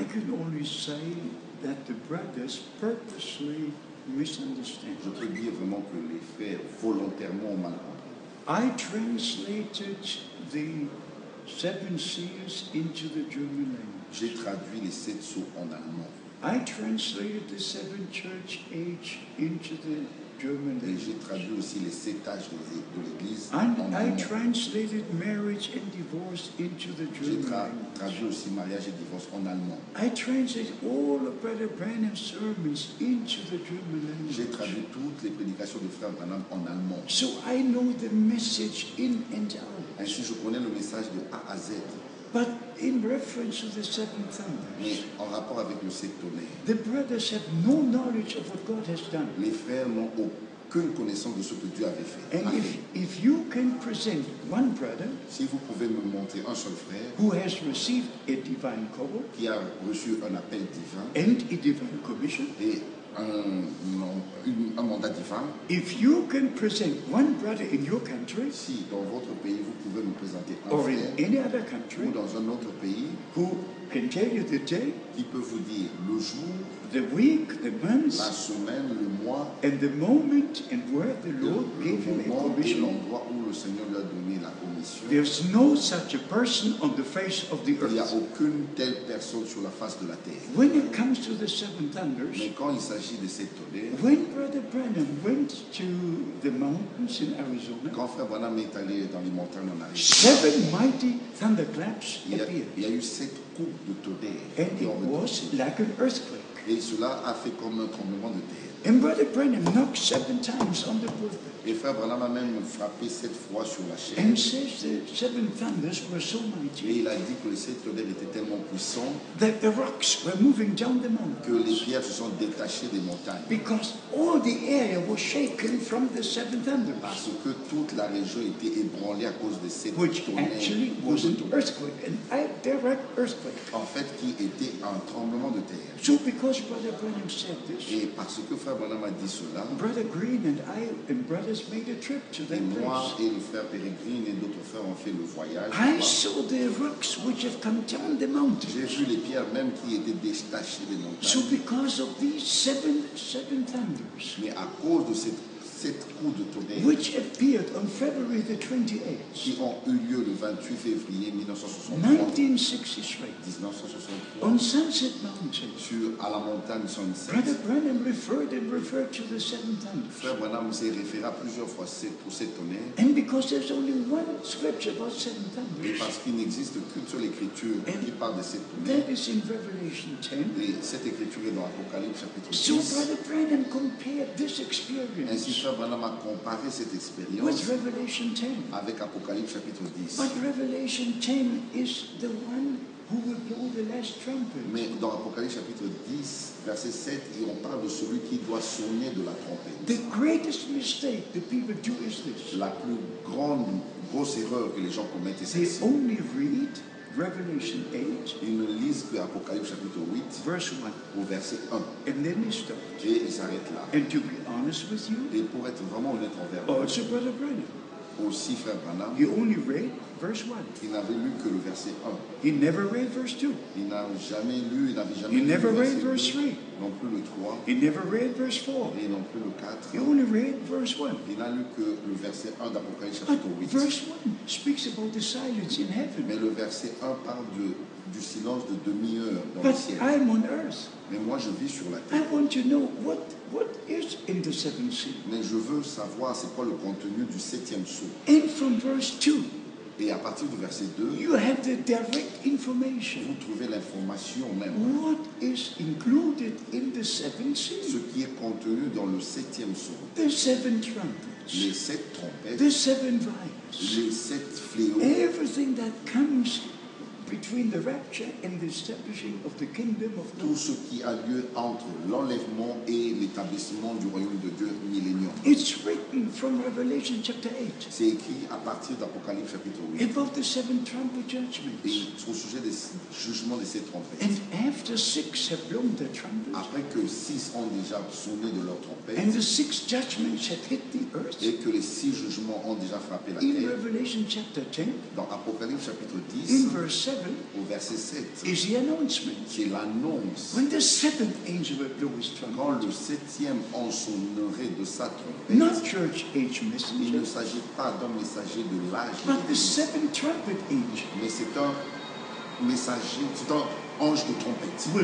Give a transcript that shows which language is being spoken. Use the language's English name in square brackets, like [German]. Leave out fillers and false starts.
[English] I can only say that the brothers purposely misunderstand. [French] Je peux dire vraiment que les frères volontairement ont mal compris. [English] I translated the seven seals into the German language. [French] J'ai traduit les sept sceaux en allemand. [English] I translated the seven church age into the German language. [French] Et j'ai traduit aussi les sept âges de l'Église en allemand. [English] I translated marriage and divorce into the German language. [French] J'ai traduit aussi mariage et divorce en allemand. [English] I translated all of Brother Branham's sermons into the German language. [French] J'ai traduit toutes les prédications de Frère Branham en allemand. [English] So I know the message in and out. [French] Ainsi, je connais le message de A à Z. [English] But in reference to the seven thunders, [French] en rapport avec le sept tonnerre, [English] the brothers have no knowledge of what God has done. [French] Les frères n'ont aucune connaissance de ce que Dieu avait fait. [English] And if you can present one brother, [French] si vous pouvez me montrer un seul frère, [English] who has received a divine call, [French] qui a reçu un appel divin, [English] and a divine commission, [French] et un mandat divin. [English] If you can present one brother in your country, [French] si dans votre pays vous pouvez me présenter un [English] or [French] frère, [English] in any other country, [French] ou dans un autre pays, [English] who can tell you the day, [French] qui peut vous dire le jour, [English] the week, the month, [French] la semaine, le mois, [English] and the moment and where the Lord gave him a commission, [French] l'endroit où le Seigneur lui a donné la commission. [English] There's no such a person on the face of the earth. [French] Il n'y a aucune telle personne sur la face de la terre. [English] When it comes to the seven thunders, [French] mais quand il s'agit de sept tonnerres, [English] when Brother Branham went to the mountains in Arizona, [French] quand Frère Branham est allé dans les montagnes en Arizona, [English] seven mighty thunderclaps appeared. [French] Il y a eu sept coups de tonnerre. [English] And it was like an earthquake. [French] Et cela a fait comme un tremblement de terre. [English] And Brother Branham knocked seven times on the pulpit. [French] Et Frère Branham a même frappé sept fois sur la chaise. [English] And says the seven thunders were so mighty. [French] Et il a dit que les sept tonnerres étaient tellement puissants. [English] That the rocks were moving down the mountains. [French] Que les pierres se sont détachées des montagnes. [English] Because all the area was shaken from the seven thunders. [French] Parce que toute la région était ébranlée à cause des sept [English] which [French] tonnerres. [English] Which actually was an earthquake, an direct earthquake. [French] En fait, qui était un tremblement de terre. [English] So because because Brother Branham said this. [French] Et parce que Frère Branham a dit cela. [English] Brother Green and I and brothers made a trip to that [French] moi [English] place. [French] Et le frère Peregrine et d'autres frères ont fait le voyage. [English] I saw the rocks which have come down the mountains. [French] J'ai vu les pierres même qui étaient détachées des montagnes. [English] So because of these seven thunders. [French] Mais à cause de sept coups de tonnerre. [English] Which appeared on February the 28th. [French] Qui ont eu lieu le 28 février 1963. [English] On Sunset Mountain. [French] À la montagne Sunset. [English] Brother Branham referred to the seven thunders. [French] Frère Branham s'est référé plusieurs fois pour sept tonnerres. [English] And because there's only one scripture about seven thunders. [French] Et parce qu'il n'existe qu'une seule écriture qui parle de sept tonnerres. [English] That is in Revelation 10. [French] Et cette écriture est dans Apocalypse chapitre 10. [English] So Brother Branham compared this experience. [French] Frère Branham a comparé cette expérience [English] with Revelation 10. [French] Avec Apocalypse chapitre 10. [English] But Revelation 10 is the one who will blow the last trumpet. [French] Mais dans Apocalypse chapitre 10, verset 7, et on parle de celui qui doit sonner de la trompette. [English] The greatest mistake the people do is this. [French] La plus grosse erreur que les gens commettent est celle-ci. [English] They only read Revelation 8. [French] Ils ne lisent que Apocalypse chapitre 8, [English] verse 1. [French] Au verset 1. [English] And then they stop. [French] Et ils s'arrêtent là. [English] And to be honest with you, [French] et pour être vraiment honnête envers eux, [English] Brother Branham. [French] Aussi Frère Branham. [English] He only read verse 1. [French] Il n'avait lu que le verset 1. [English] He never read verse 2. [French] Il n'a jamais lu, il n'avait jamais [English] he [French] lu [English] never [French] le [English] read verse 3. [French] Non plus le 3. [English] He never read verse 4. [French] Et non plus le 4. [English] He only read verse 1. [French] Il n'a lu que le verset 1 d'Apocalypse chapitre 8. [English] Verse 1 speaks about the silence in heaven. [French] Mais le verset 1 parle du silence de demi-heure dans [English] but [French] le ciel. [English] But I'm on earth. [French] Mais moi je vis sur la terre. [English] I want to know what is in the seventh seal. [French] Mais je veux savoir c'est quoi le contenu du septième sceau. [English] And from verse 2. [French] Et à partir du verset 2, [English] you have the direct information. [French] Vous trouvez l'information même. [English] What is included in the seventh seal? [French] Ce qui est contenu dans le septième sceau. [English] The seven trumpets. [French] Les sept trompettes. [English] The seven vials. [French] Les sept fléaux. [English] Everything that comes between the rapture and the establishing of the kingdom of God. [French] Tout ce qui a lieu entre l'enlèvement et l'établissement du royaume de Dieu millénaire. [English] It's written from Revelation chapter 8. [French] C'est écrit à partir d'Apocalypse chapitre 8. [English] About the seven trumpet judgments. [French] Et au sujet des jugements des sept trompettes. [English] And after six have blown their trumpets. [French] Après que six ont déjà sonné de leur trompette. [English] And the six judgments have hit the earth. [French] Et que les six jugements ont déjà frappé la terre. [English] In Revelation chapter 10. [French] Dans Apocalypse chapitre 10. [English] In verse 7, [French] au verset 7, [English] is the announcement. [French] C'est l'annonce. [English] When the seventh angel will blow his trumpet. [French] Quand le septième en sonnerait de sa trompette. [English] Not church age messenger. [French] Il ne s'agit pas d'un messager de l'âge. [English] But the seventh trumpet angel. [French] Mais c'est un messager, c'est un ange de trompette.